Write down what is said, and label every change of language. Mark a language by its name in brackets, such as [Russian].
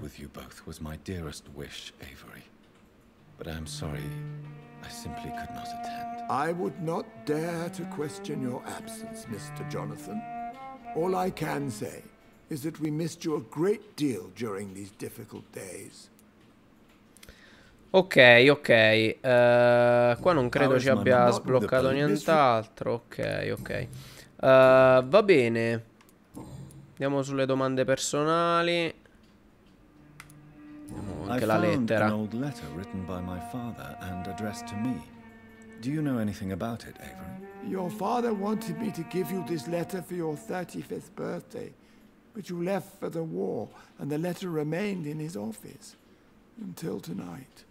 [English] With you both was my dearest wish, Avery. But I'm sorry, I simply could not attend. I would not dare to question your absence, Mr. Jonathan. All I can say is that we missed you a great deal during these difficult days. [Italian] Ok, ok. Qua non credo ci abbia sbloccato nient'altro. Ok, ok. Va bene. Andiamo sulle domande personali. Anche la lettera. [English] An old letter written by my father and addressed to me. Do you know anything about it, Avery? Your father wanted me to give you this letter for your 35th birthday, but you left for the war and the letter remained in his office until tonight.